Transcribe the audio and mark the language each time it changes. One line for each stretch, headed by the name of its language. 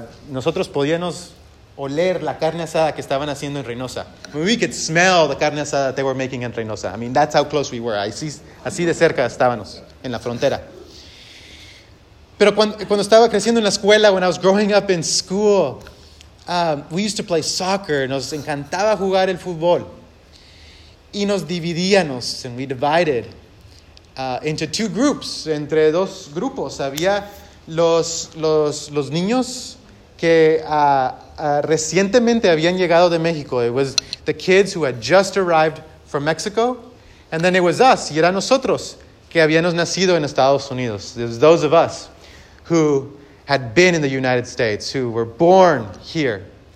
Spanish: Nosotros podíamos oler la carne asada que estaban haciendo en Reynosa.
English: We could smell the carne asada that they were making in Reynosa. I mean, that's how close we were.
Spanish: Así de cerca estábamos en la frontera. Pero cuando estaba creciendo en la escuela,
English: when I was growing up in school, we used to play soccer.
Spanish: Nos encantaba jugar el fútbol. Y nos dividíamos,
English: and we divided into two groups,
Spanish: entre dos grupos. Había los niños que recientemente habían llegado de México.
English: It was the kids who had just arrived from Mexico. And then it was us,
Spanish: y era nosotros, que habíamos nacido en Estados Unidos.
English: It was those of us who had been in the United States, who were born here.